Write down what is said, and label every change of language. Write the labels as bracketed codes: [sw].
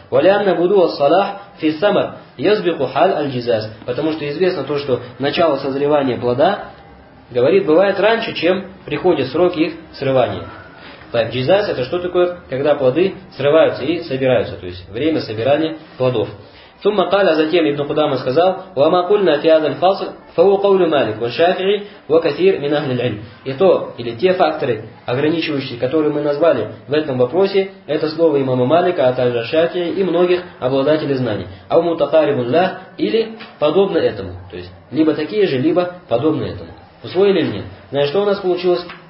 [ar] Валянна Буду Салах Фисамар Язбику Хал Аль-Джизас. [ru] Потому что известно то, что начало созревания плода, говорит, бывает раньше, чем приходит срок их срывания. Так, джизас это что такое, когда плоды срываются и собираются, то есть время собирания плодов. [ar] ثم قال [ru] затем [ar] ابن قدامة [ru] сказал: [ar] وما قلنا في هذا الفصل فهو قول مالك والشافعي وكثير من أهل العلم. [ru] И то, или те факторы, ограничивающие, которые мы назвали в этом вопросе, это слово имама Малика, а также Шафии и многих обладателей знаний. [ar] أو متقارب له, [ru] или подобно этому. То есть, либо такие же, либо подобно этому. Усвоили ли нет? Значит, что у нас получилось?